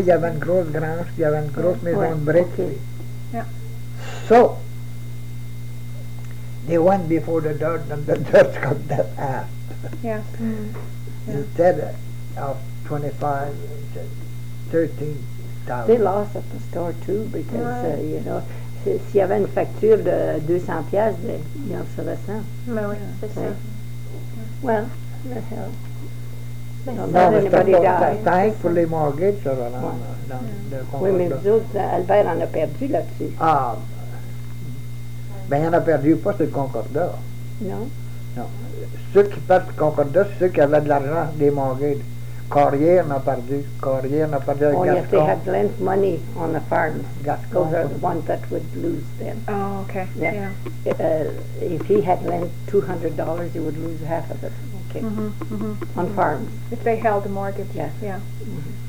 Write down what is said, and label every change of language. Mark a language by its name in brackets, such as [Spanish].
[French] Il y avait une grosse grange, il y avait une grosse maison brique. [English] Yeah. So, they went before the judge and the judge got that half. Yes. Instead of 25, 13,000. They lost at the store too because, you know, [French] s'il y avait une facture de 200 piastres, il en serait 100. Mais oui, c'est ça. [English] Well, that helped. [French] Non, mais c'est pas pour [English] thankfully mortgage, [French] ça va dans le compte. Oui, mais vous autres, Albert en a perdu là-dessus. Ah. Mais il n'a perdu pas ce concordat. Non. Ceux qui perdent le concordat, c'est ceux qui avaient de l'argent des mortgages. Corrier en a perdu. Corrier en a perdu avec Gascon. [English] Oh, if they had lent money on the farms, Gascon. Those are the ones that would lose then. Oh, okay. Yeah. If he had lent $200, he would lose half of it. Okay. Mm-hmm. On farms. If they held a mortgage. Yes. Yeah. Mm-hmm.